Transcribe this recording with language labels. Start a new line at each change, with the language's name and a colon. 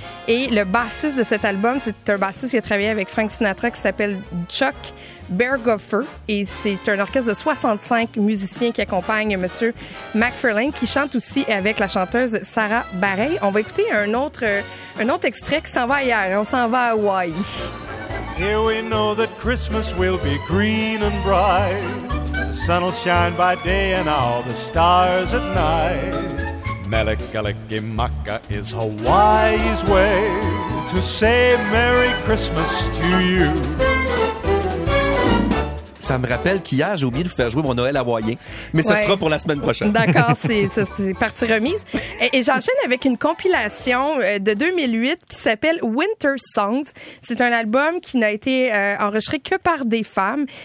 French: Et le bassiste de cet album, c'est un bassiste qui a travaillé avec Frank Sinatra qui s'appelle Chuck Berghofer. Et c'est un orchestre de 65 musiciens qui accompagnent M. MacFarlane, qui chante aussi avec la chanteuse Sarah Barrey. On va écouter un autre extrait qui s'en va ailleurs. On s'en va à Hawaii.
English: Here we know that Christmas will be green and bright. The sun will shine by day and all the stars at night. Melikalikimaka is Hawaii's way to say Merry Christmas to you.
French: ça me rappelle qu'hier, j'ai oublié de vous faire jouer mon Noël hawaïen. Mais ça sera pour la semaine prochaine. D'accord, c'est partie remise. Et j'enchaîne avec une compilation de 2008 qui s'appelle Winter Songs. C'est un album qui n'a été enregistré que par des femmes.